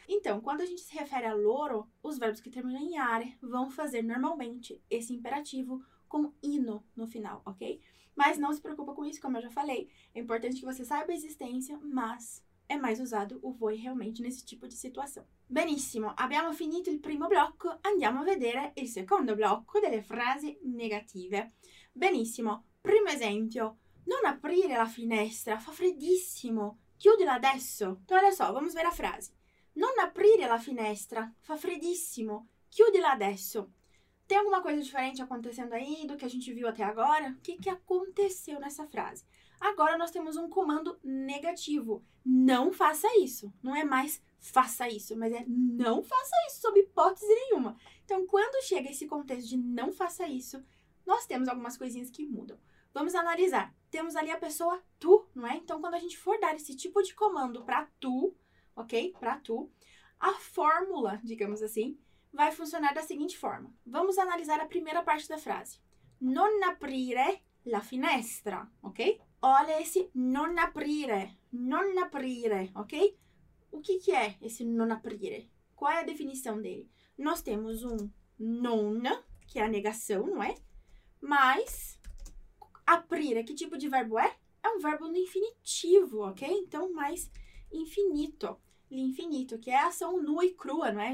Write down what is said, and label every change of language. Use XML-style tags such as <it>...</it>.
<pt>Então, quando a gente se refere a loro, os verbos que terminam em are vão fazer normalmente esse imperativo com ino no final, ok? Mas não se preocupa com isso, como eu já falei. É importante que você saiba a existência, mas é mais usado o voi realmente nesse tipo de situação.</pt> <it>Benissimo, abbiamo finito il primo blocco, andiamo a vedere il secondo blocco delle frasi negative. Benissimo, primo esempio, non aprire la finestra, fa freddissimo, chiudila adesso.</it> <pt>Então, olha só, vamos ver a frase.</pt> <it>Non aprire la finestra, fa freddissimo, chiudila adesso.</it> <pt>Tem alguma coisa diferente acontecendo aí do que a gente viu até agora? O que aconteceu nessa frase? Agora nós temos um comando negativo. Não faça isso. Não é mais faça isso, mas é não faça isso sob hipótese nenhuma. Então, quando chega esse contexto de não faça isso, nós temos algumas coisinhas que mudam. Vamos analisar. Temos ali a pessoa tu, não é? Então, quando a gente for dar esse tipo de comando para tu, ok? Para tu, a fórmula, digamos assim, vai funcionar da seguinte forma. Vamos analisar a primeira parte da frase.</pt> <it>Non aprire la finestra, ok?</it> <pt>Olha esse</pt> <it>non aprire, non aprire, ok?</it> <pt>O que que é esse</pt> <it>non aprire?</it> <pt>Qual é a definição dele? Nós temos um non, que é a negação, não é? Mas, aprire, que tipo de verbo é? É um verbo no infinitivo, ok? Então, mais infinito, l'infinito, que é ação nua e crua, não é?</pt>